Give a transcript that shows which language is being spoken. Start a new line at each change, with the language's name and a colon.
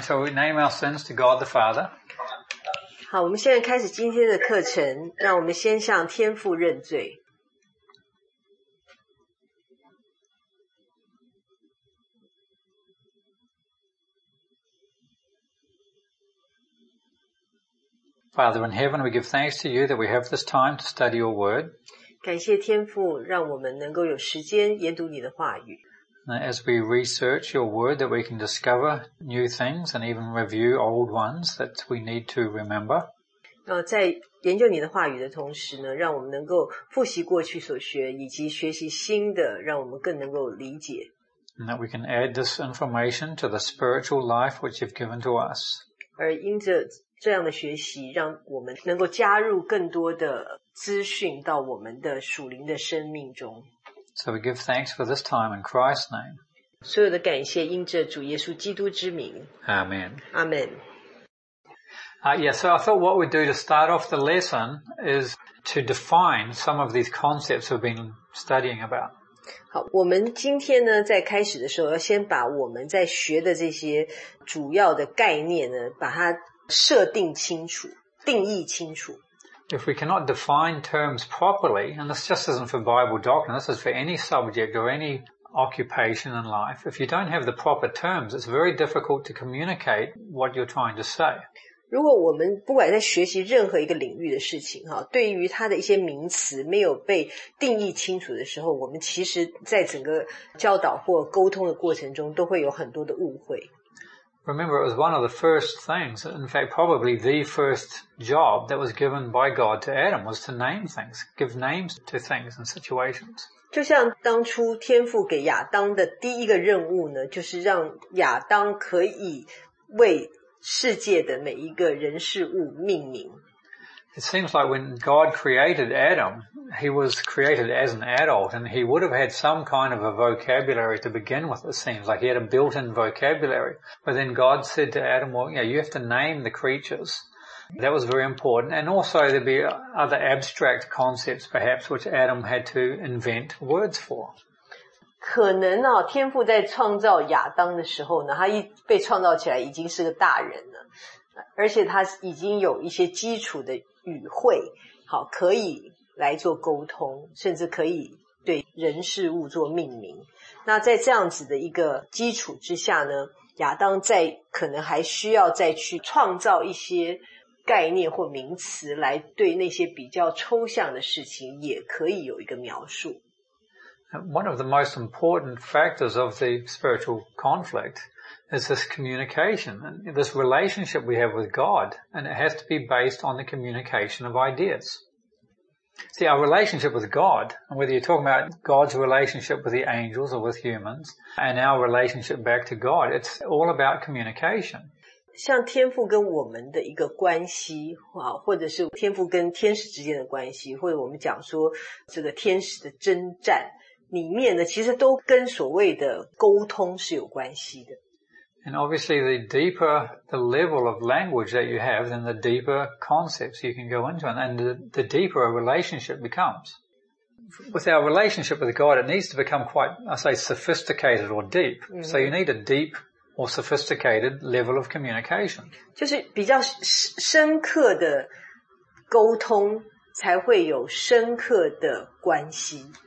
English: So we name our sins to God the Father.
Chinese: 好，我们现在开始今天的课程，让我们先向天父认罪。
English: Father in heaven, we give thanks to you that we have this time to study your word.
Chinese: 感谢天父，让我们能够有时间研读你的话语。
English: As we research your word, that we can discover new things and even review old ones that we need to remember.
Chinese: 在研究你的话语的同时呢，让我们能够复习过去所学，以及学习新的，让我们更能够理解。
English: And that we can add this information to the spiritual life which you've given to us.
Chinese: 而因着这样的学习，让我们能够加入更多的资讯到我们的属灵的生命中。
English: So we give thanks for this time in Christ's name.
Chinese: 所有的感谢因着主耶稣基督之名。
English: Amen. Amen. So I thought what we'd do to start off the lesson is to define some of these concepts we've been studying about.
Chinese: 好，我们今天呢，在开始的时候要先把我们在学的这些主要的概念呢，把它设定清楚，定义清楚。
English: If we cannot define terms properly, and this just isn't for Bible doctrine, this is for any subject or any occupation in life, if you don't have the proper terms, it's very difficult to communicate what you're trying to say.
Chinese: 如果我们不管在学习任何一个领域的事情，对于它的一些名词没有被定义清楚的时候，我们其实在整个教导或沟通的过程中都会有很多的误会。
English: Remember, it was one of the first things, in fact, probably the first job that was given by God to Adam was to name things, give names to things and situations.
Chinese: 就像当初天父给亚当的第一个任务呢，就是让亚当可以为世界的每一个人事物命名。
English: It seems like when God created Adam, he was created as an adult, and he would have had some kind of a vocabulary to begin with, it seems like. He had a built-in vocabulary. But then God said to Adam, well, you have to name the creatures. That was very important. And also there'd be other abstract concepts, perhaps, which Adam had to invent words for.
Chinese: 可能啊，天父在创造亚当的时候呢，他一被创造起来已经是个大人了，而且他已经有一些基础的语汇，好，可以来做沟通，甚至可以对人事物做命名。那在这样子的一个基础之下呢，亚当在可能还需要再去创造一些概念或名词来对那些比较抽象的事情也可以有一个描述。
English: One of the most important factors of the spiritual conflict is this communication, and this relationship we have with God, and it has to be based on the communication of ideas. See, our relationship with God, and whether you're talking about God's relationship with the angels or with humans, and our relationship back to God, it's all about communication.
Chinese: 像天父跟我们的一个关系，或者是天父跟天使之间的关系，或者我们讲说这个天使的征战里面呢，其实都跟所谓的沟通是有关系的。
English: And obviously the deeper the level of language that you have, then the deeper concepts you can go into and the deeper a relationship becomes. With our relationship with God, it needs to become quite, I say, sophisticated or deep. Mm-hmm. So you need a deep or sophisticated level of communication.
Chinese: 就是比较深刻的沟通才会有深刻的关系。